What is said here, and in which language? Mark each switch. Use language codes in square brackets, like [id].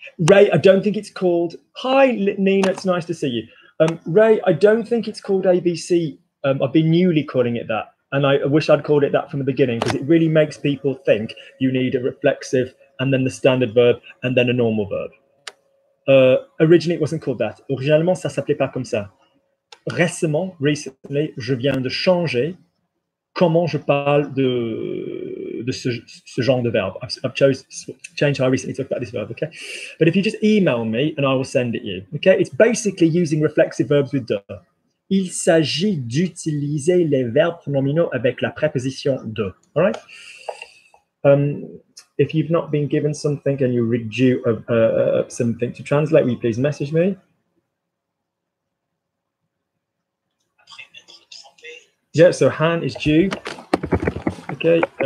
[en] Ray, I don't think it's called, hi Nina, it's nice to see you. Ray, I don't think it's called ABC. I've been newly calling it that. And I wish I'd called it that from the beginning, because it really makes people think you need a reflexive and then the standard verb and then a normal verb. Originally, it wasn't called that. [fr] Originalement, ça s'appelait pas comme ça. Récemment, recently, je viens de changer comment je parle de ce genre de verbe. [en] I've changed how I recently talked about this verb, okay? But if you just email me and I will send it you, okay? It's basically using reflexive verbs with de. [fr] Il s'agit d'utiliser les verbes pronominaux avec la préposition de. [en] All right? If you've not been given something and you're due of something to translate, will you please message me? Yeah, so Han is due. Okay.